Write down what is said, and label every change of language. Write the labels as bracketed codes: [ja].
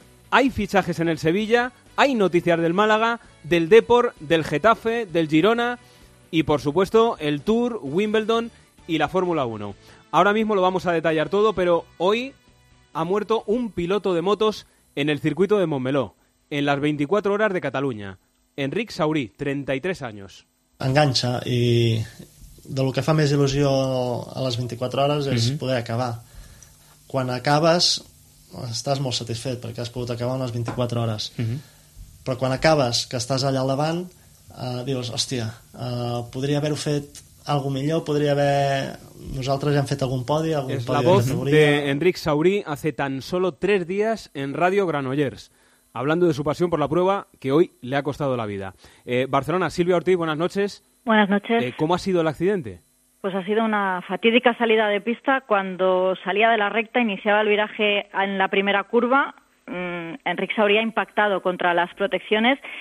[es] Hay fichajes en el Sevilla, hay noticias del Málaga, del Depor, del Getafe, del Girona y, por supuesto, el Tour, Wimbledon y la Fórmula 1. Ahora mismo lo vamos a detallar todo, pero hoy ha muerto un piloto de motos en el circuito de Montmeló, en las 24 horas de Cataluña. Enric Saurí, 33 años. [ca] Engancha, i del que fa més il·lusió a les 24 hores és poder acabar. Quan acabes, estàs molt satisfet perquè has pogut acabar unes 24 hores. Però quan acabes, que estàs allà al davant, dius, hòstia, podria haver-ho fet algo millor, podria haver... Nosaltres ja hem fet algun podi, algun podi. [es] És la voz de Enric Saurí hace tan solo 3 dies en Radio Granollers, hablando de su pasión por la prueba que hoy le ha costado la vida. Barcelona, Silvia Ortiz, buenas noches. Buenas noches. ¿Cómo ha sido el accidente? Pues ha sido una fatídica salida de pista. Cuando salía de la recta, iniciaba el viraje en la primera curva, Enric Saurí ha impactado contra las protecciones.